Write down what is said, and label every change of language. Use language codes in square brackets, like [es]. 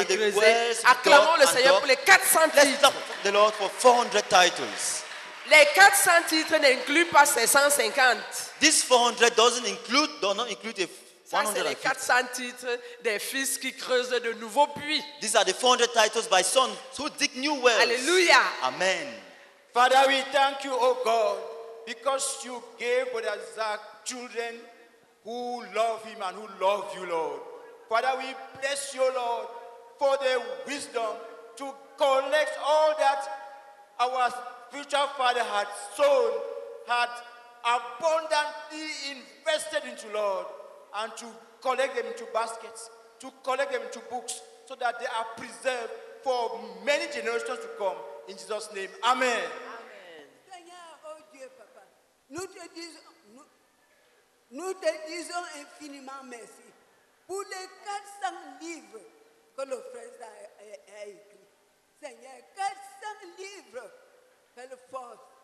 [fr] et creusés. Acclamons le Seigneur pour les 400 [en] Let's [fr] titres. [en] The Lord for 400 titles. [fr] Les 400 titres n'incluent pas ces 150. [en] This 400 doesn't include, does not include [fr] Ça, c'est les 400 titres des fils qui creusent de nouveaux puits. [en] These are the 400 titles by sons who dig new wells. [fr] Alléluia. [en] Amen. Father, we thank you, oh God, because you gave Brother Zach children who love him and who love you, Lord. Father, we bless you, Lord, for the wisdom to collect all that our future father had sown, had abundantly invested into, Lord, and to collect them into baskets, to collect them into books, so that they are preserved for many generations to come. In Jesus' name, amen. [fr] Nous te disons, nous te disons infiniment merci pour les 400 livres que le frère a écrit. Seigneur, 400 livres, quelle force.